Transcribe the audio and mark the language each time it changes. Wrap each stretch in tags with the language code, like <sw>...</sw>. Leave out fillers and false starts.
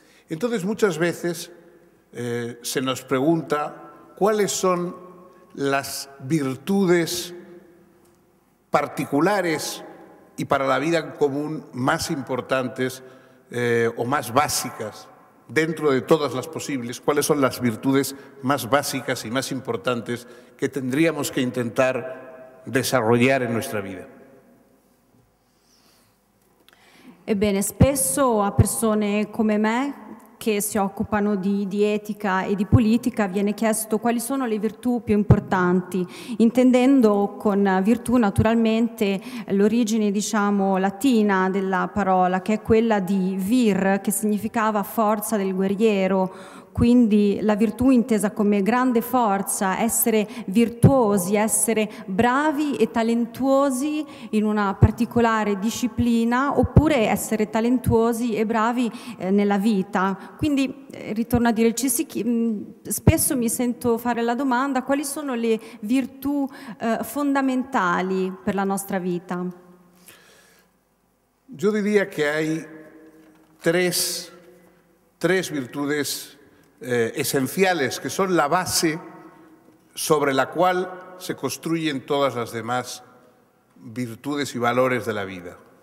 <es>Entonces, muchas veces se nos pregunta cuáles son las virtudes particulares y para la vida en común más importantes o más básicas, dentro de todas las posibles, cuáles son las virtudes más básicas y más importantes que tendríamos que intentar desarrollar en nuestra vida.</es> <it>Ebbene, spesso a persone come me che si occupano di etica e di politica viene chiesto quali sono le virtù più importanti, intendendo con virtù naturalmente l'origine, diciamo, latina della parola, che è quella di vir, che significava forza del guerriero. Quindi la virtù intesa come grande forza, essere virtuosi, essere bravi e talentuosi in una particolare disciplina, oppure essere talentuosi e bravi nella vita. Quindi ritorno a dire, spesso mi sento fare la domanda: quali sono le virtù fondamentali per la nostra vita?</it> <es>Io diria che hai tre virtù esenciales, que son la base sobre la cual se construyen todas las demás virtudes y valores de la vida.</es>